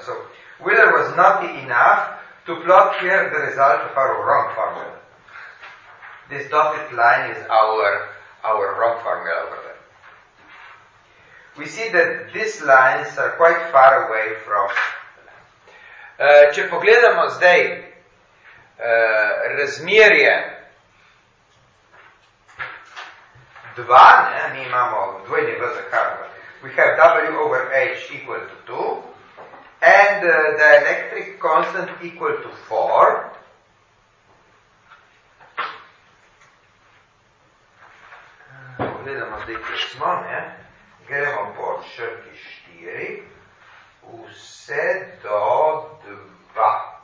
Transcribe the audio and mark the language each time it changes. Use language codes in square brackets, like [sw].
[en] So, Wheeler was not enough to plot here the result of our wrong formula. This dotted line is our wrong formula over there. We see that these lines are quite far away from... [sl] Če pogledamo zdaj razmerje 2, ne, mi imamo dvojni V za karbo. [en] We have W over H equal to 2, and the dielectric constant equal to 4. [sl] Pogledamo zdaj, kje smo, ne? Gremo po črti 4, vse do 2.